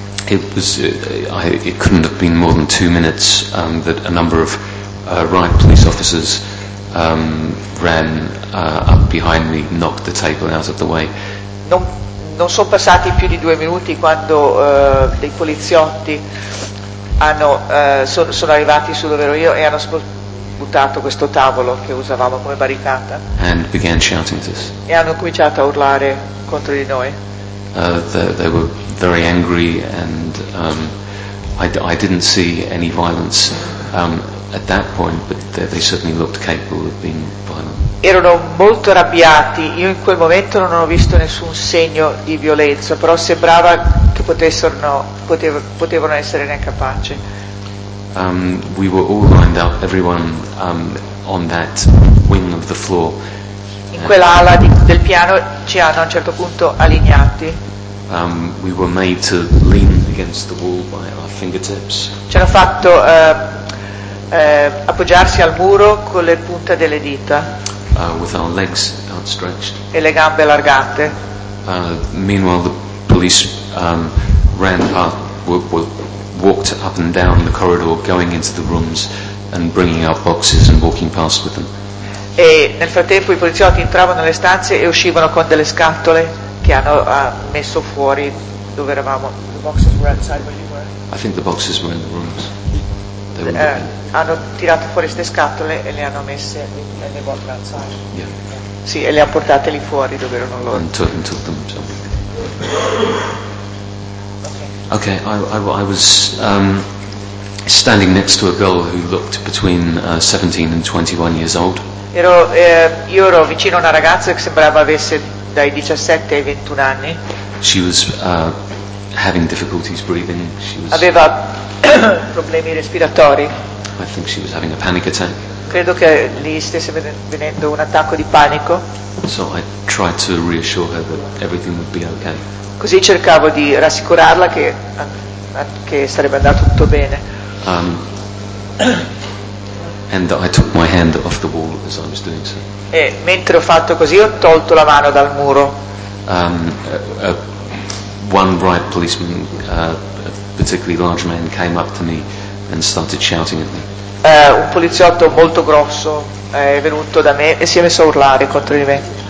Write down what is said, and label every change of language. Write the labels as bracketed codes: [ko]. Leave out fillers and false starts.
[en] It couldn't have been more than 2 minutes that a number of riot police officers ran up behind me, knocked the table out of the way. [it] Non sono passati più di 2 minuti quando dei poliziotti sono arrivati su dove ero io e hanno buttato questo tavolo che usavamo come barricata. [en] And began shouting at us. [it] E hanno cominciato a urlare contro di noi. [en] They were very angry and I didn't see any violence at that point, but they certainly looked capable of being violent. [it] Erano molto arrabbiati. Io in quel momento non ho visto nessun segno di violenza, però sembrava che potevano essere incapaci. [en] We were all lined up, everyone on that wing of the floor. [it] In quell'ala del piano ci hanno a un certo punto allineati. [en] We were made to lean against the wall by our fingertips. [it] Ci hanno fatto appoggiarsi al muro con le punte delle dita. [en] With our legs outstretched. [it] E le gambe allargate. [en] Meanwhile, the police ran up, walked up and down the corridor, going into the rooms and bringing out boxes and walking past with them. [it] E nel frattempo i poliziotti entravano nelle stanze e uscivano con delle scatole che hanno messo fuori dove eravamo. [en] The boxes were outside where you were. I think the boxes were in the rooms. [it] Hanno tirato fuori queste scatole e le hanno messe nelle [en] box outside. Yeah. [it] Sì, e le ha portate lì fuori dove erano loro. [en] And took them. So. Okay, I was standing next to a girl who looked between 17 and 21 years old. [it] Io ero vicino a una ragazza che sembrava avesse dai 17 ai 21 anni. [en] She was having difficulties breathing. She was [it] aveva problemi respiratori. [en] I think she was having a panic attack. [it] Credo che lì stesse venendo un attacco di panico. [en] So I tried to reassure her that everything would be okay. [it] Così cercavo di rassicurarla che sarebbe andato tutto bene. [en] And I took my hand off the wall as I was doing so. [it] E mentre ho fatto così ho tolto la mano dal muro. [en] One riot policeman, a particularly large man, came up to me and started shouting at me. [it] Un poliziotto molto grosso è venuto da me e si è messo a urlare contro di me.